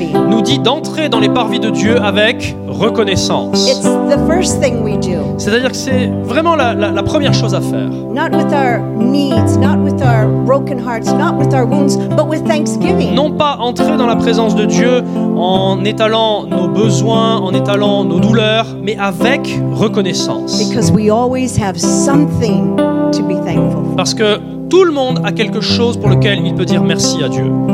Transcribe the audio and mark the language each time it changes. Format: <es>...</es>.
<fr>nous dit d'entrer dans les parvis de Dieu avec reconnaissance.</fr> <en>It's the first thing we do.</en> <fr>C'est-à-dire que c'est vraiment la première chose à faire.</fr> <en>Not with our needs, not with our broken hearts, not with our wounds, but with thanksgiving.</en> <fr>Non pas entrer dans la présence de Dieu en étalant nos besoins, en étalant nos douleurs, mais avec reconnaissance.</fr> <en>Because we always have something to be thankful for.</en> <fr>Parce que tout le monde a quelque chose pour lequel il peut dire merci à Dieu.</fr>